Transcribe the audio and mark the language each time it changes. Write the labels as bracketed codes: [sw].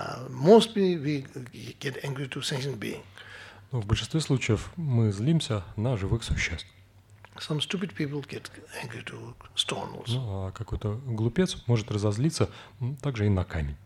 [en] Most we get angry to sentient being. [ru] Но в большинстве случаев мы злимся на живых существ. [en] Some stupid people get angry to stone also. [ru] Ну, а какой-то глупец может разозлиться также и на камень.